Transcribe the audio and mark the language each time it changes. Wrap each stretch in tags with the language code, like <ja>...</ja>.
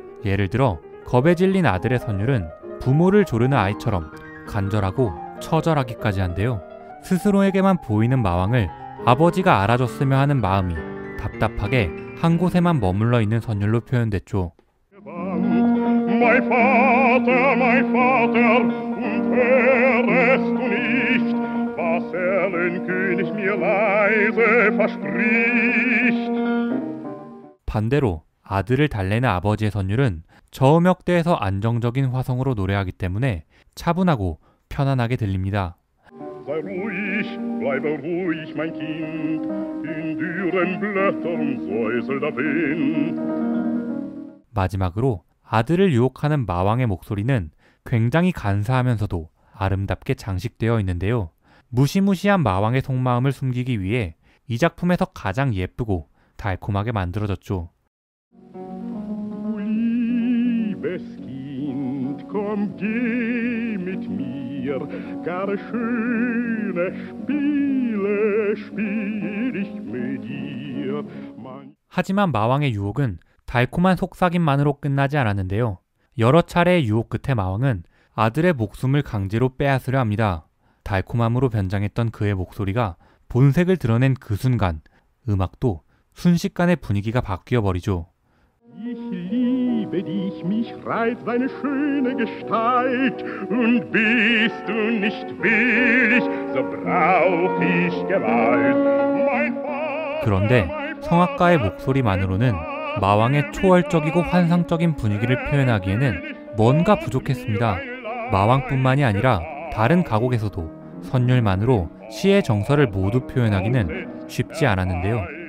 <ko>예를 들어 겁에 질린 아들의 선율은 부모를 조르는 아이처럼 간절하고 처절하기까지 한데요. 스스로에게만 보이는 마왕을 아버지가 알아줬으면 하는 마음이 답답하게 한 곳에만 머물러 있는 선율로 표현됐죠.</ko> <de>Mein Vater, wärest du nicht, was Erlenkönig mir leise verspricht.</de> <ko>반대로 아들을 달래는 아버지의 선율은 저음역대에서 안정적인 화성으로 노래하기 때문에 차분하고 편안하게 들립니다.</ko> <de>Sei ruhig, bleibe ruhig, mein Kind. In dürren Blättern säuselt der Wind.</de> <ko>마지막으로 아들을 유혹하는 마왕의 목소리는 굉장히 간사하면서도 아름답게 장식되어 있는데요. 무시무시한 마왕의 속마음을 숨기기 위해 이 작품에서 가장 예쁘고 달콤하게 만들어졌죠.</ko> <de>Liebes Kind, komm geh mit mir, gar schöne Spiele spiel ich mit dir.</de> <ko>하지만 마왕의 유혹은 달콤한 속삭임만으로 끝나지 않았는데요. 여러 차례의 유혹 끝에 마왕은 아들의 목숨을 강제로 빼앗으려 합니다. 달콤함으로 변장했던 그의 목소리가 본색을 드러낸 그 순간 음악도 순식간에 분위기가 바뀌어 버리죠.</ko> <de>Ich liebe dich, mich reizt deine schöne Gestalt und bist du nicht willig, so brauch ich Gewalt.</de> <ko>그런데 성악가의 목소리만으로는 마왕의 초월적이고 환상적인 분위기를 표현하기에는 뭔가 부족했습니다. 마왕뿐만이 아니라 다른 가곡에서도 선율만으로 시의 정서를 모두 표현하기는 쉽지 않았는데요.</ko>